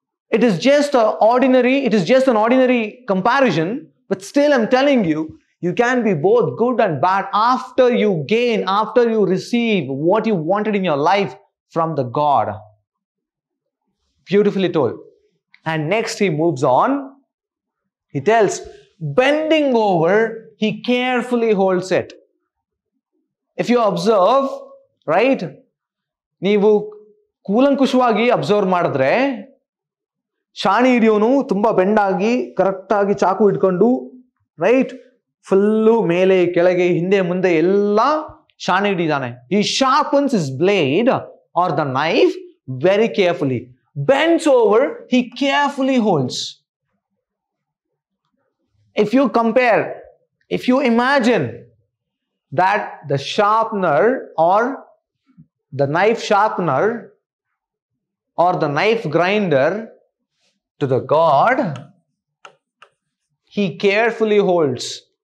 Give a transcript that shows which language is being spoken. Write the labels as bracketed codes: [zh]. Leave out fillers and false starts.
[en] It is just an ordinary comparison, but still I'm telling you, you can be both good and bad after you gain, after you receive what you wanted in your life from the God. Beautifully told. And next he moves on. He tells, bending over, he carefully holds it. If you observe, right? [kn] ನೀವು ಕೂಲಂಕುಷವಾಗಿ observe ಮಾಡಿದ್ರೆ, ಶಾಣಿ ಹಿಡಿಯೋನು ತುಂಬಾ bend ಆಗಿ correct ಆಗಿ ಚಾಕು ಇಟ್ಕೊಂಡು, right, full ಮೇಲೆ ಕೆಳಗೆ ಹಿಂದೆ ಮುಂದೆ ಎಲ್ಲ Shani ಹಿಡಿದಾನೆ. [en] He sharpens his blade or the knife very carefully. Bends over, he carefully holds. If you compare, if you imagine that the sharpener or the knife sharpener or the knife grinder to the God, he carefully holds.